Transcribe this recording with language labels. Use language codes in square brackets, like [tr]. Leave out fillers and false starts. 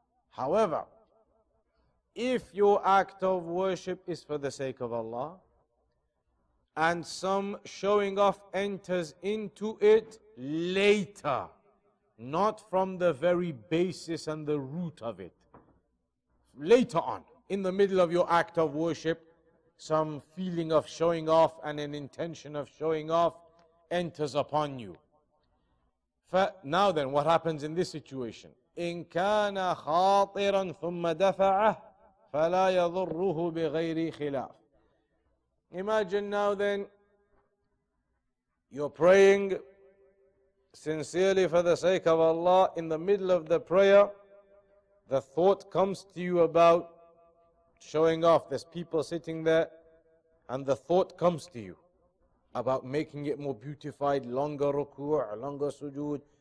[en] However, if your act of worship is for the sake of Allah, and some showing off enters into it later, not from the very basis and the root of it, later on, in the middle of your act of worship, some feeling of showing off and an intention of showing off enters upon you. Now then, what happens in this situation? [ar] إن كان خاطرا ثم دفعه فلا يضره بغير خلاف. [en] Imagine now then, you're praying sincerely for the sake of Allah. In the middle of the prayer, the thought comes to you about showing off. There's people sitting there, and the thought comes to you about making it more beautified, longer ruku', longer sujood.